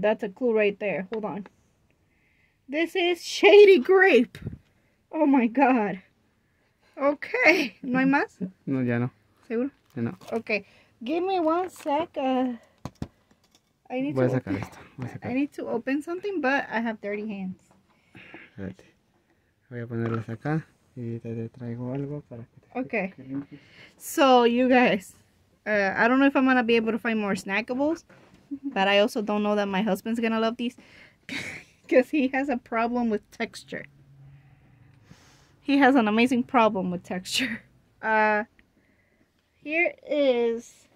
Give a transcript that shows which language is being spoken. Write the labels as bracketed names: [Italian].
[English] That's a clue right there. Hold on. This is Shady Grape. Oh my god. Okay. [Spanish] ¿No hay más? No, ya no. ¿Seguro? Ya no. [English] Okay. Give me one sec. I need [Spanish] voy [English] to [Spanish] a sacar esto. Voy a sacar. [English] I need to open something, but I have dirty hands. [Spanish] Espérate. Voy a ponerlas acá y te traigo algo para que te... [English] Okay. So, you guys, I don't know if I'm going to be able to find more snackables, but I also don't know that my husband's going to love these because he has a problem with texture. He has an amazing problem with texture. Here is...